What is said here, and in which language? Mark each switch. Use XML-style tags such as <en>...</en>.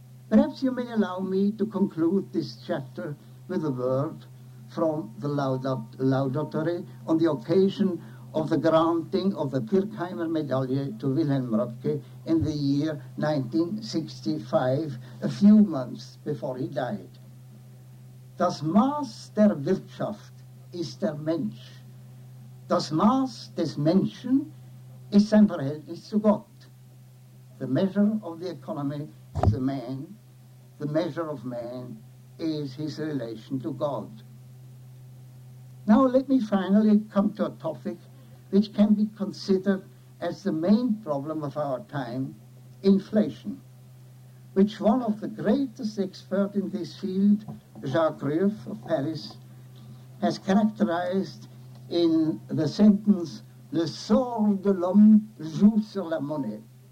<en>Perhaps you may allow me to conclude this chapter with a word from the laudatory on the occasion of the granting of the Pirkheimer Medaille to Wilhelm Röpke in the year 1965, a few months before he died.</en> <de>Das Maß der Wirtschaft ist der Mensch. Das Maß des Menschen ist sein Verhältnis zu Gott.</de> <en>The measure of the economy is a man. The measure of man is his relation to God. Now let me finally come to a topic which can be considered as the main problem of our time, inflation, which one of the greatest experts in this field, Jacques Rueff of Paris, has characterized in the sentence,</en> <fr>Le sort de l'homme joue sur la monnaie.</fr>